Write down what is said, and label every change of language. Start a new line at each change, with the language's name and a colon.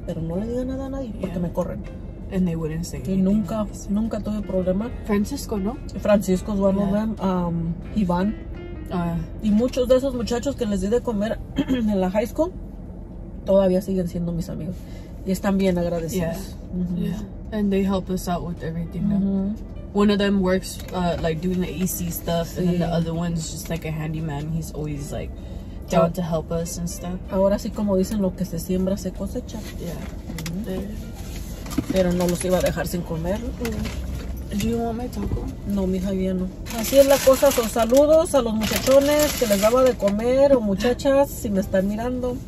Spanish: Pero no le digan nada a nadie, porque me corren.
English: And they wouldn't say anything.
Spanish: Y nunca, nunca tuve problema. Francisco, ¿no?
English: Francisco es one of them. Iván.
Spanish: Y muchos de esos muchachos que les di de comer en la high school todavía siguen siendo mis amigos y están bien agradecidos.
English: Yeah. Mm-hmm. Yeah. And they help us out with everything. Mm-hmm. Now. One of them works like doing the AC stuff,
Spanish: sí,
English: and then the other one's just like a handyman. He's always like down to help us and stuff.
Spanish: Ahora sí, como dicen, lo que se siembra se cosecha.
English: Yeah. Mm-hmm.
Spanish: Pero no los iba a dejar sin comer.
English: Mm-hmm. Do you want my taco?
Spanish: No, mija, ya no. Así es la cosa. Son saludos a los muchachones que les daba de comer o muchachas si me están mirando.